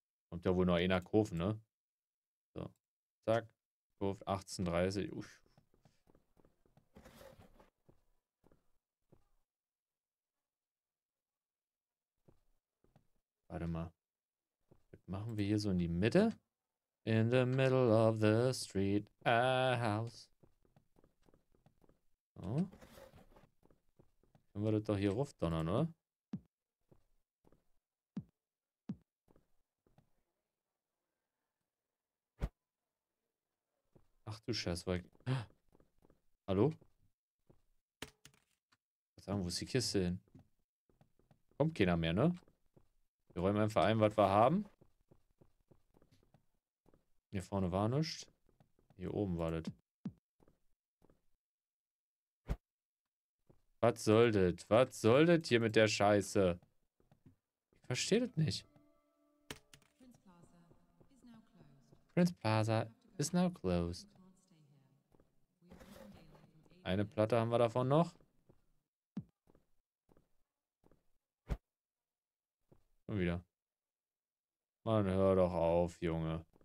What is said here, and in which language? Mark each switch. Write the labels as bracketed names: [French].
[German] Kommt ja wohl nur einer kaufen, ne? So. Zack. Kurve 18,30. Uff. Warte mal. Was machen wir hier so in die Mitte? [English] In the middle of the street, a house. [German] So. Können wir das doch hier raufdonnern, oder? Ach du Scheiße, war ich... Hallo? Was sagen, wo ist die Kiste hin? Kommt keiner mehr, ne? Wir räumen einfach ein, was wir haben. Hier vorne war nichts. Hier oben war das. Was soll das? Was soll das hier mit der Scheiße? Ich verstehe das nicht. [English] Prince Plaza is now closed. [German] Eine Platte haben wir davon noch. Und wieder. Mann, hör doch auf, Junge.